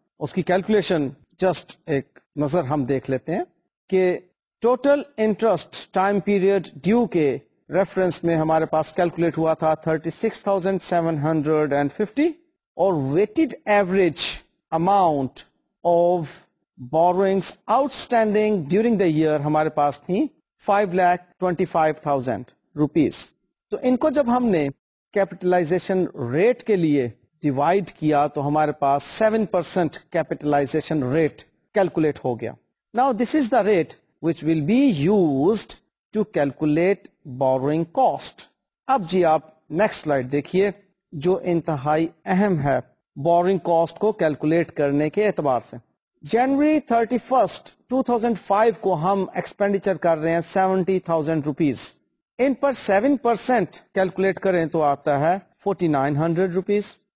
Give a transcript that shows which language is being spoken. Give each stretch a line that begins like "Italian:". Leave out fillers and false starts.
Urdu: اس کی calculation just ایک نظر ہم دیکھ لیتے ہیں کہ total interest time period due کے ریفرنس میں ہمارے پاس کیلکولیٹ ہوا تھا 36,750, اور
English: weighted average amount of borrowings outstanding during the year
Urdu: ہمارے پاس تھی 5,25,000 rupees. تو ان کو جب ہم نے کیپٹلائزیشن ریٹ کے لیے ڈیوائیڈ کیا تو ہمارے پاس 7% کیپٹلائزیشن ریٹ کیلکولیٹ ہو گیا.
English: Now this is the rate which will be used to calculate borrowing cost.
Urdu: اب جی آپ نیکسٹ سلائیڈ دیکھیے جو انتہائی اہم ہے بوروئنگ کاسٹ کو کیلکولیٹ کرنے کے اعتبار سے. January 31, 2005 کو ہم ایکسپینڈیچر کر رہے ہیں 70,000 rupees, ان پر 7% کیلکولیٹ کریں تو آتا ہے 4,900 rupees.